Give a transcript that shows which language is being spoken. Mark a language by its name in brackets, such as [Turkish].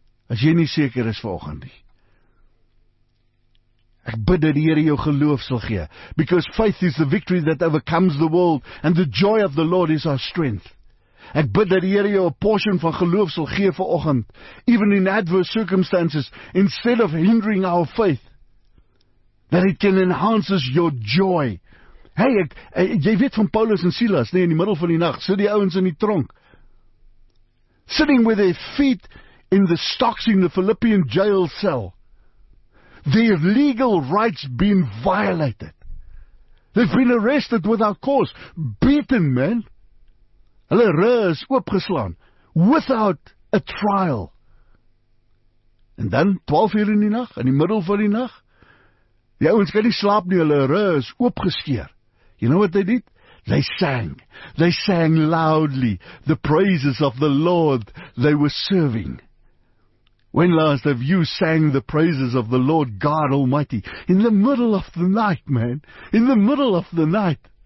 [Afrikaans] As jy nie seker is vanoggend nie. Ek bid dat die Here jou geloof sal gee. [English] Because faith is the victory that overcomes the world. And the joy of the Lord is our strength. [Afrikaans] Ek bid dat die Here jou [English] a portion [Afrikaans] van geloof sal gee vir oggend. [English] Even in adverse circumstances, instead of hindering our faith, that it can enhance your joy. [Afrikaans] Hey, jy weet van Paulus en Silas, nee, in die middel van die nacht, sit die ouens in die tronk. [English] Sitting with their feet in the stocks in the Philippian jail cell. Their legal rights been violated. They've been arrested without cause. Beaten, man. [Afrikaans] Hulle reus oopgeslaan. [English] Without a trial. [Afrikaans] En dan, 12 uur in die nacht, in die middel van die nacht, die ouens kan nie slaap nie, hulle reus oopgeskeer. [English] You know what they did? They sang. They sang loudly the praises of the Lord they were serving. When last have you sang the praises of the Lord God Almighty? In the middle of the night, man. In the middle of the night.